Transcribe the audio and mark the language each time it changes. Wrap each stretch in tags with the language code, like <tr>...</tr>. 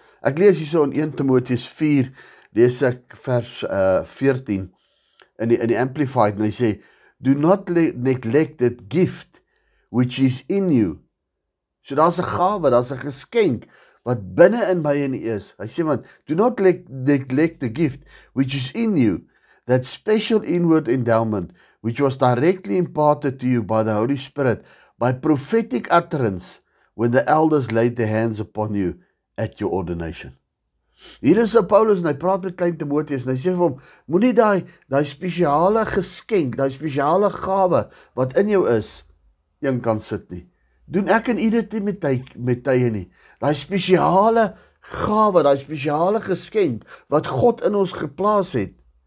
<af>Ek lees hierso in 1 Timoteus 4 lees ek vers 14 in die Amplified en hy sê</af> <en>do not neglect that gift which is in you.</en> <af>So daar's 'n gawe, daar's 'n geskenk wat binne in my en is. Hy sê want</af> <en>do not neglect the gift which is in you, that special inward endowment which was directly imparted to you by the Holy Spirit, by prophetic utterance, when the elders laid their hands upon you at your ordination.</en> <af>Hier is Paulus en hy praat met klein Timoteus en hy sê vir hom, moenie daai spesiale geskenk, daai spesiale gawe wat in jou is, een kan sit nie. Doen ek en u dit nie met tye nie. Daai spesiale gawe, daai spesiale geskenk wat God in ons geplaas het.</af>